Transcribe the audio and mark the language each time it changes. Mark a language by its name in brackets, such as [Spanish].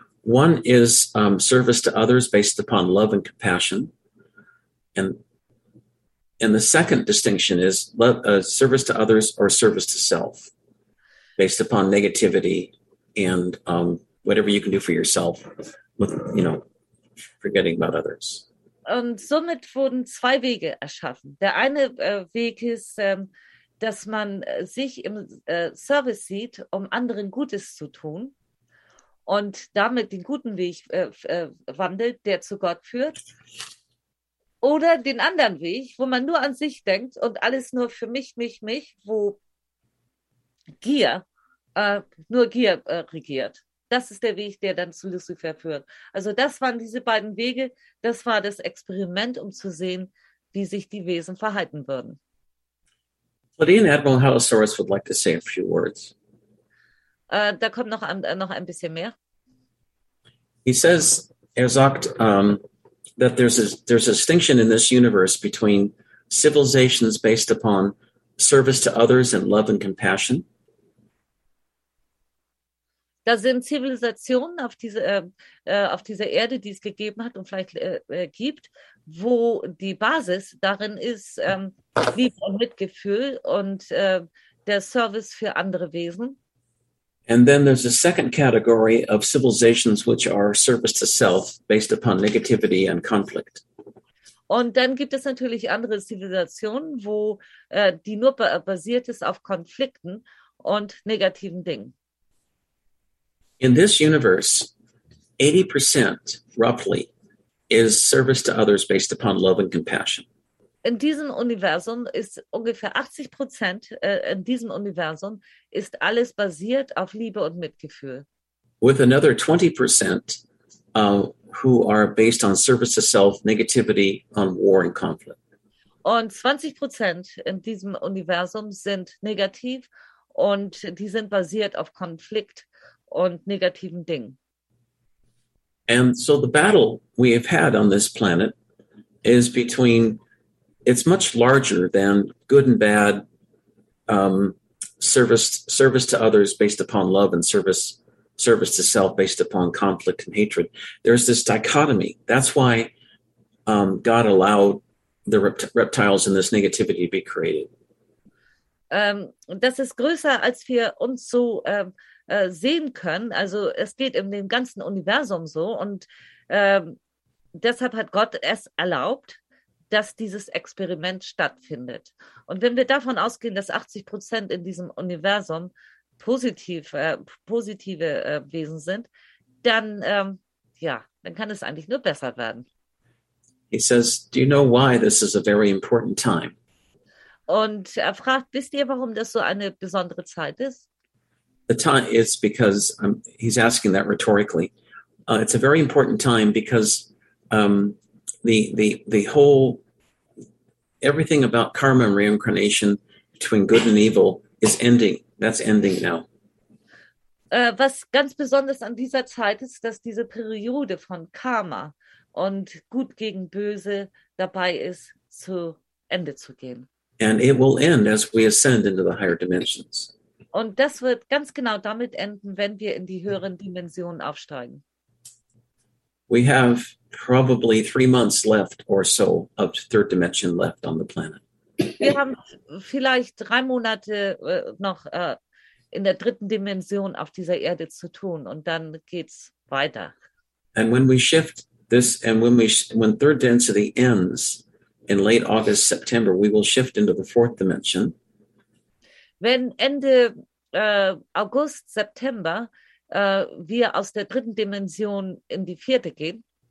[English] One is service to others based upon love and compassion, And the second distinction is service to others or service to self, based upon negativity and whatever you can do for yourself, with, you know, forgetting about others. [German] Und somit wurden zwei Wege erschaffen. Der eine Weg ist, dass man sich im Service sieht, um anderen Gutes zu tun und damit den guten Weg wandelt, der zu Gott führt. Oder den anderen Weg, wo man nur an sich denkt und alles nur für mich, wo Gier, nur Gier regiert. Das ist der Weg, der dann zu Lucifer führt. Also das waren diese beiden Wege, das war das Experiment, um zu sehen, wie sich die Wesen verhalten würden. [English] Well, Ian Admiral Halosaurus would like to say a few words. [German] Da kommt noch ein bisschen mehr. Er sagt, [English] that there's a distinction in this universe between civilizations based upon service to others and love and compassion. [German] Da sind Zivilisationen auf dieser Erde, die es gegeben hat und vielleicht gibt, wo die Basis darin ist, Liebe und Mitgefühl und der Service für andere Wesen. [English] And then there's a second category of civilizations which are service to self based upon negativity and conflict. [German] Und dann gibt es natürlich andere Zivilisationen, wo die nur basiert ist auf Konflikten und negativen Dingen. [English] In this universe, 80% roughly is service to others based upon love and compassion. [German] In diesem Universum ist ungefähr 80% in diesem Universum ist alles basiert auf Liebe und Mitgefühl. [English] With another 20% who are based on service to self, negativity, on war and conflict. [German] Und 20% in diesem Universum sind negativ und die sind basiert auf Konflikt und negativen Dingen. [English] And so the battle we have had on this planet is between, it's much larger than good and bad, service to others based upon love and service to self based upon conflict and hatred. There's this dichotomy. That's why God allowed the reptiles and this negativity to be created. [German] Das ist größer, als wir uns so sehen können. Also es geht in dem ganzen Universum so. Und deshalb hat Gott es erlaubt, dass dieses Experiment stattfindet. Und wenn wir davon ausgehen, dass 80% in diesem Universum positive Wesen sind, dann ja, dann kann es eigentlich nur besser werden. [English] He says, do you know why this is a very important time? [German] Und er fragt, wisst ihr, warum das so eine besondere Zeit ist? [English] The time is because he's asking that rhetorically. It's a very important time because the whole everything about karma and reincarnation between good and evil is ending. That's ending now. [German] Was ganz besonders an dieser Zeit ist, dass diese Periode von Karma und Gut gegen Böse dabei ist, zu Ende zu gehen. [English] And it will end as we ascend into the higher dimensions. [German] Und das wird ganz genau damit enden, wenn wir in die höheren Dimensionen aufsteigen. [English] We have probably 3 months left or so of third dimension left on the planet. [German] Wir haben vielleicht 3 Monate noch in der dritten Dimension auf dieser Erde zu tun und dann geht's weiter. [English] And when we shift this and when third density ends in late August, September, we will shift into the fourth dimension. [German] Wenn Ende August, September wir aus der dritten Dimension in die vierte gehen,